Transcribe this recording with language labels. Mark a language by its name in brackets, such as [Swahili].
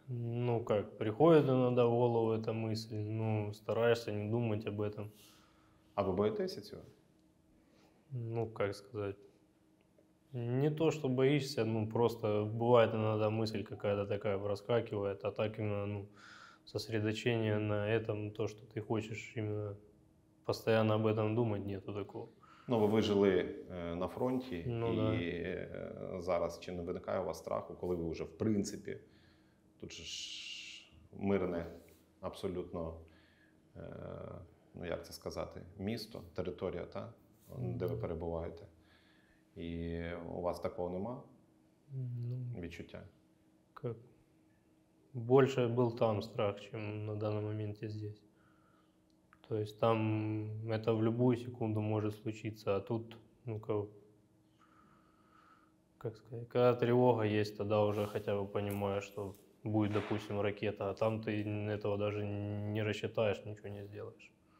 [Ukrainian] Ну як, приходить іноді в голову ця мисль, ну стараєшся не думати [Russian] об этом. [Ukrainian] А ви боїтеся цього? Ну як сказати, не то, що боїшся, ну просто буває іноді мисль [Russian] какая-то [Ukrainian] така проскакує, а так іменно, ну, сосредоточення на цьому, то, що ти хочеш іменно. [Russian] Постоянно об этом думать нету такого. [Ukrainian] Ну, ви жили на фронті, ну, і да. Зараз чи не виникає у вас страху, коли ви вже в принципі, тут ж мирне абсолютно, ну як це сказати, місто, територія, та, де ви перебуваєте. І у вас такого нема відчуття? [Russian] Как? [Ukrainian] Більше був там страх, ніж на даний момент і тут. [Russian] То есть там это в любую секунду может случиться, а тут, ну как сказать, когда тревога есть, тогда уже хотя бы понимаешь, что будет, допустим, ракета, а там ты этого даже не рассчитаешь, ничего не сделаешь.